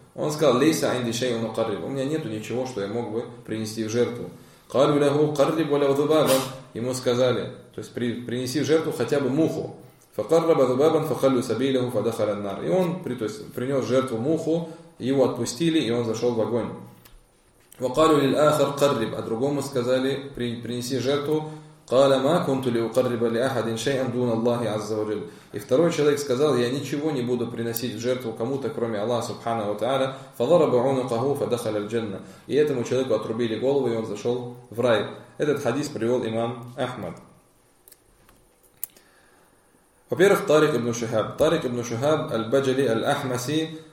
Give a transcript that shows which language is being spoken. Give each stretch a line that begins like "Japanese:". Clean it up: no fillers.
Russian: Он сказал:
Arabic: «Лейса инди шейун макарриб»,
Russian: у меня нету ничего, что я мог бы принести в жертву.
Arabic: «Калю ляху карриб валяв дубабан»,
Russian: ему сказали, то есть принеси в жертву хотя бы муху.
Arabic: «Факарраба дубабан фахалю сабилиху фадахараннар».
Russian: И он то есть, принес жертву муху, его отпустили, и он зашел в огонь.
Arabic: وقالوا للآخر قرب أدرجوم
Russian: сказали принеси жертву.
Arabic: قال ما كنت لأقرب لأحد شيئا دون الله عز وجل.
Russian: И второй человек сказал: я ничего не буду приносить в жертву кому-то, кроме Аллаха Субханаху ва Тааля.
Arabic: فضرب عنقه فدخل الجنة.
Russian: И этому человеку отрубили голову, и он зашел в рай. Этот хадис привел имам Ахмад. Во-первых, Тарик ибн Шихаб. Тарик ибн Шихаб аль-Баджали аль-Ахмаси.